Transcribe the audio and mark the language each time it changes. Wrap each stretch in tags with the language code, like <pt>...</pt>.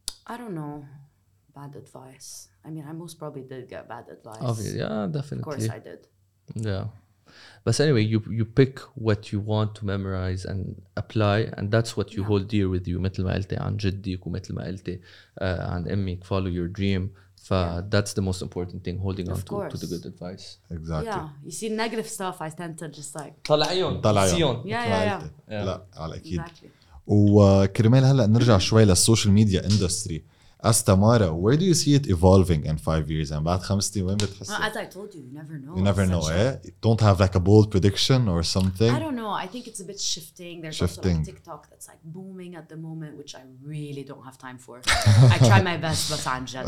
<en>I don't know. Bad advice. I mean, I most probably did get bad advice. Obviously, yeah, definitely. Of course I did. Yeah. But anyway, you pick what you want to memorize and apply, and that's what you hold dear with you.</en> <ar>مثل ما قلتي عن جديك ومثل ما قلتي عن أمك,</ar> <en>follow your dream. That's the most important thing, holding on to the good advice. Exactly. Yeah. You see negative stuff, I tend to just like. طلعيون. Yeah.</en> <ar>لا على أكيد.</ar> <en>Exactly.</en> <ar>وكرمال هلا نرجع شوي للسوشيال ميديا إندستري.</ar> <en>As Tamara, where do you see it evolving in 5 years? And about 50 women? As I told you, you never know. You never know, eh? Don't have like a bold prediction or something? I don't know. I think it's a bit shifting. There's shifting. Also like TikTok that's like booming at the moment, which I really don't have time for. I try my best, but I'm just...</en>